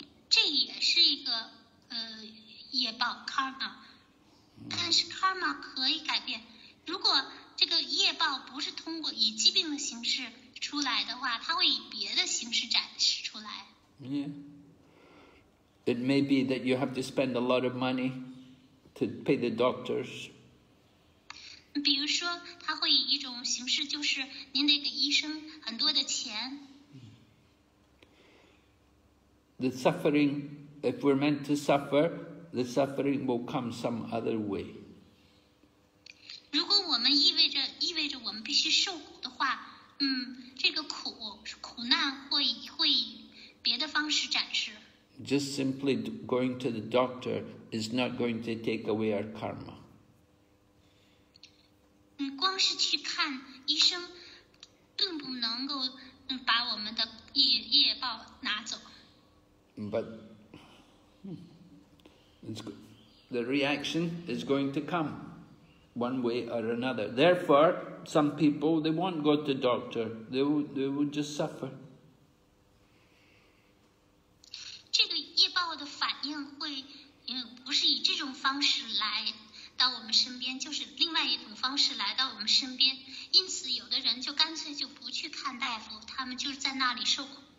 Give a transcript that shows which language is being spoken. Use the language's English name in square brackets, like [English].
[Chinese] 这也是一个业报 karma， 但是 karma 可以改变。如果这个业报不是通过以疾病的形式出来的话，它会以别的形式展示出来。 [English] Yeah. It may be that you have to spend a lot of money to pay the doctors. [Chinese] 比如说，它会以一种形式，就是您得给医生很多的钱。 [English] The suffering, if we're meant to suffer. The suffering will come some other way. [Chinese] 如果我们意味着我们必须受苦的话，这个苦难会以别的方式展示。 [English] Just simply going to the doctor is not going to take away our karma. [Chinese] 光是去看医生，并不能够把我们的业报拿走。 [English] But. The reaction is going to come one way or another. Therefore, some people, they won't go to doctor. They would just suffer. [Chinese] 这个业报的反应会不是以这种方式来到我们身边，就是另外一种方式来到我们身边。因此有的人就干脆就不去看大夫，他们就是在那里受苦。